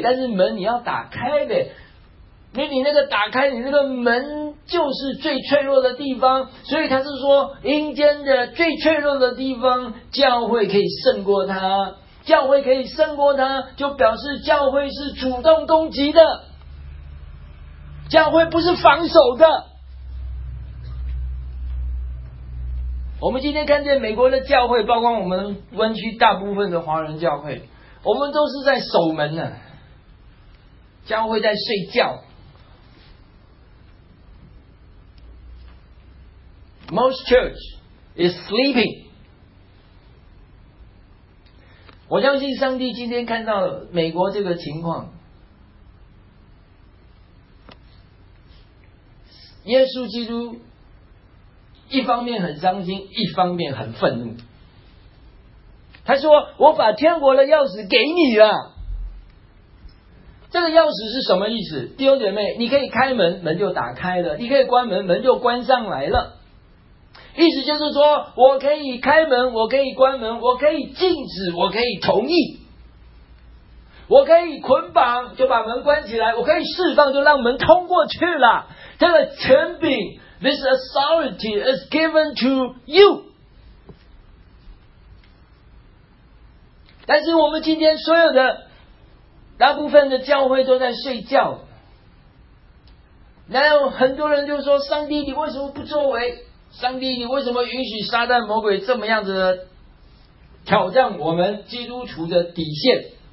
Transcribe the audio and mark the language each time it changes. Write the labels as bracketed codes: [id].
[zh] 但是门你要打开的，你那个打开你那个门就是最脆弱的地方，所以他是说阴间的最脆弱的地方教会可以胜过他，教会可以胜过他就表示教会是主动攻击的，教会不是防守的。我们今天看见美国的教会，包括我们湾区大部分的华人教会，我们都是在守门的，教会在睡觉。 [en] Most church is sleeping。 [zh] 我相信上帝今天看到美国这个情况，耶稣基督一方面很伤心，一方面很愤怒。他说我把天国的钥匙给你了。这个钥匙是什么意思？弟兄姐妹，你可以开门门就打开了，你可以关门门就关上来了。意思就是说我可以开门，我可以关门，我可以禁止，我可以同意，我可以捆绑就把门关起来，我可以释放就让门通过去了。这个权柄 [en] This authority is given to you。 [zh] 但是我们今天所有的大部分的教会都在睡觉，然后很多人就说，上帝你为什么不作为？上帝你为什么允许撒旦魔鬼这么样子的挑战我们基督徒的底线？